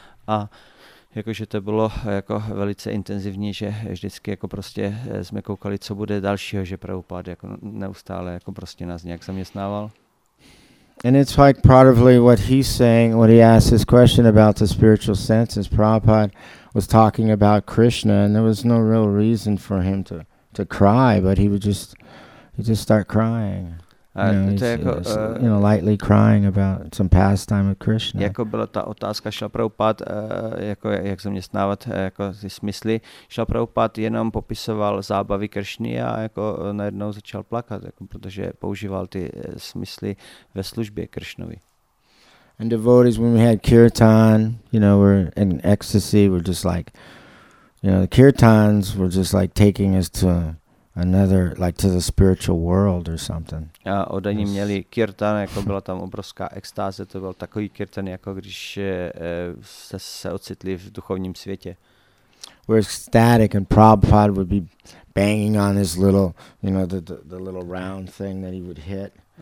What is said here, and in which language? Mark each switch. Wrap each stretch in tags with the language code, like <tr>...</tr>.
<cs>A jakože to bylo jako velice intenzivní, že vždycky jako prostě jsme koukali, co bude dalšího, že Prabhupada jako neustále jako prostě nás nějak zaměstnával.</cs> <en>And it's like probably what he's saying, what he asked his question about the spiritual senses. Prabhupada was talking about Krishna, and there was no real reason for him to cry, but he was just You just start crying. You know, lightly crying about some pastime of Krishna.</en> <cs>Jako byla ta otázka šla Prabhupád, jako jak zaměstnávat jako ty smysly. Šla Prabhupád jenom popisoval zábavy Kršny a jako najednou začal plakat, jako protože používal ty smysly ve službě Kršnovi.</cs> <en>And devotees, when we had kirtan, you know, were in ecstasy, were just like, you know, the kirtans were just like taking us to another, like to the spiritual world or something.</en> <cs>A oni měli kirtan, jako byla tam obrovská extáze, to byl takový kirtan, jako když se ocitli v duchovním světě.</cs> <en>We're ecstatic and Prabhupada would be banging on his little, you know, the little round thing that he would hit.</en>